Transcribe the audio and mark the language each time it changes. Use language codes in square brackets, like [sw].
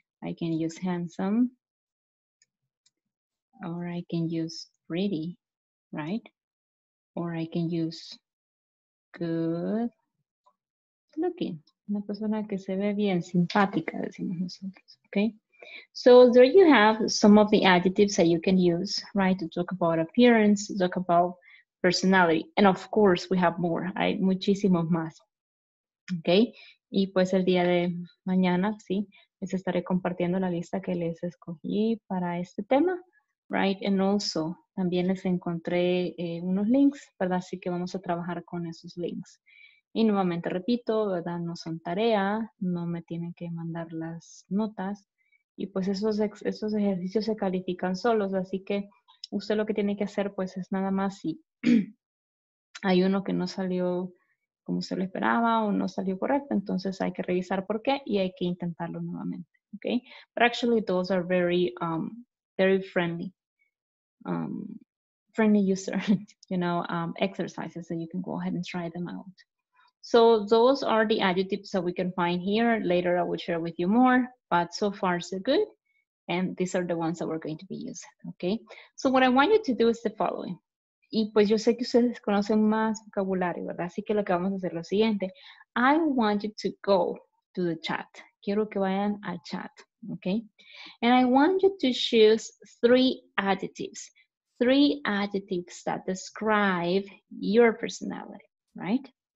[en] I can use handsome. Or I can use pretty, right? Or I can use good looking. [es] Una persona que se ve bien, simpática, decimos nosotros, okay? [en] So there you have some of the adjectives that you can use, right? To talk about appearance, to talk about personality. And of course, we have more. [es] Hay muchísimos más. Okay, y pues el día de mañana, sí, les estaré compartiendo la lista que les escogí para este tema, [en] right? And also, [es] también les encontré unos links, ¿verdad? Así que vamos a trabajar con esos links. Y nuevamente repito, ¿verdad? No son tarea, no me tienen que mandar las notas. Y pues esos ejercicios se califican solos, así que usted lo que tiene que hacer, pues es nada más si hay uno que no salió como se lo esperaba o no salió correcto, entonces hay que revisar por qué y hay que intentarlo nuevamente, okay? [en] But actually those are very very friendly friendly user, you know, exercises that you can go ahead and try them out. So those are the adjectives that we can find here. Later I will share with you more, but so far so good, and these are the ones that we're going to be using, okay? So what I want you to do is the following. [es] Y pues yo sé que ustedes conocen más vocabulario, ¿verdad? Así que lo que vamos a hacer es lo siguiente. [en] I want you to go to the chat. [es] Quiero que vayan al chat, [en] okay? And I want you to choose three adjectives that describe your personality, right?